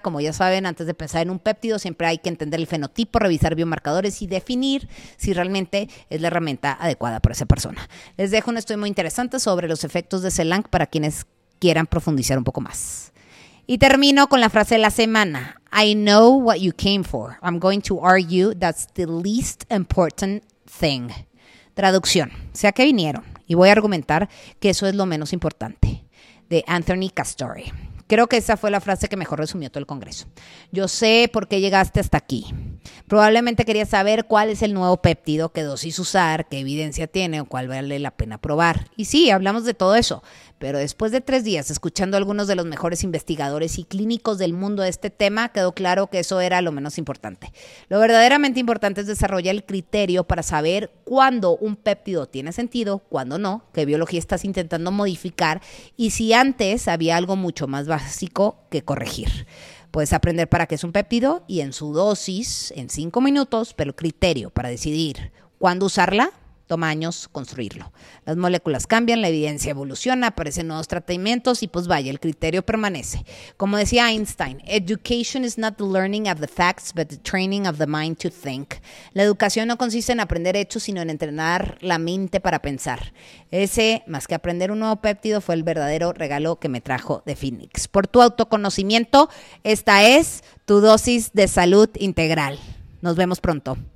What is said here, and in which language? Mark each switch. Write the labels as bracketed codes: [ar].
[es] Como ya saben, antes de pensar en un péptido, siempre hay que entender el fenotipo, revisar biomarcadores y definir si realmente es la herramienta adecuada para esa persona. Les dejo un estudio muy interesante sobre los efectos de CELANC para quienes quieran profundizar un poco más. Y termino con la frase de la semana. [en] I know what you came for. I'm going to argue that's the least important thing. [es] Traducción. Sea que vinieron. Y voy a argumentar que eso es lo menos importante. De Anthony Castore. Creo que esa fue la frase que mejor resumió todo el congreso. Yo sé por qué llegaste hasta aquí. Probablemente querías saber cuál es el nuevo péptido, qué dosis usar, qué evidencia tiene o cuál vale la pena probar. Y sí, hablamos de todo eso. Pero después de 3 días, escuchando a algunos de los mejores investigadores y clínicos del mundo de este tema, quedó claro que eso era lo menos importante. Lo verdaderamente importante es desarrollar el criterio para saber cuándo un péptido tiene sentido, cuándo no, qué biología estás intentando modificar y si antes había algo mucho más básico que corregir. Puedes aprender para qué es un péptido y en su dosis, en 5 minutos, pero el criterio para decidir cuándo usarla toma años construirlo. Las moléculas cambian, la evidencia evoluciona, aparecen nuevos tratamientos y pues vaya, el criterio permanece. Como decía Einstein, [en] education is not the learning of the facts, but the training of the mind to think. [es] La educación no consiste en aprender hechos, sino en entrenar la mente para pensar. Ese, más que aprender un nuevo péptido, fue el verdadero regalo que me trajo de Phoenix. Por tu autoconocimiento, esta es tu dosis de salud integral. Nos vemos pronto.